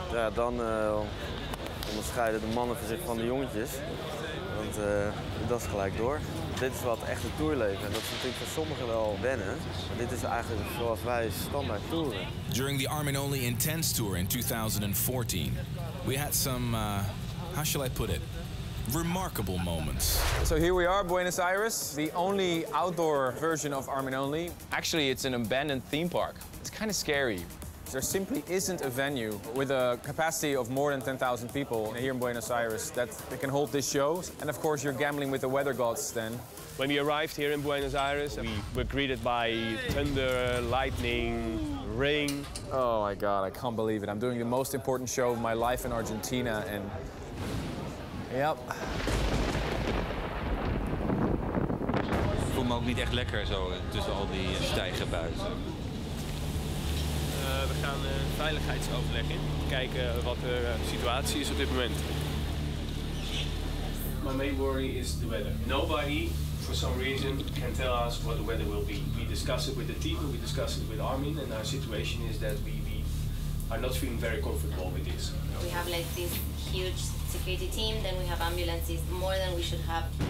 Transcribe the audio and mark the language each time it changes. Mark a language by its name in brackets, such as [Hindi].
[Dutch] Ja, dan onderscheiden de mannen van zich van de jongetjes. Want dat is gelijk door. Dit is wat echt het tourleven. En dat is natuurlijk voor sommigen wel wennen. Maar dit is eigenlijk zoals wij standaard toeren. [English] During the Armin Only Intense Tour in 2014, we had some, how shall I put it? Remarkable moments. So here we are, Buenos Aires, the only outdoor version of Armin Only. Actually, it's an abandoned theme park. It's kind of scary. There simply isn't a venue with a capacity of more than 10,000 people here in Buenos Aires that can hold this show. And of course, you're gambling with the weather gods then. When we arrived here in Buenos Aires, we were greeted by thunder, lightning, rain. Oh my God, I can't believe it. I'm doing the most important show of my life in Argentina and... Yep. [Dutch] Ik voel me ook niet echt lekker zo tussen al die stijgen buiten. We gaan een veiligheidsoverleg in. Kijken wat de situatie is op dit moment. [English] My main worry is the weather. Nobody, for some reason, can tell us what the weather will be. We discuss it with the team, we discuss it with Armin, and our situation is that we are not feeling very comfortable with this. We have like this huge security team, then we have ambulances, more than we should have.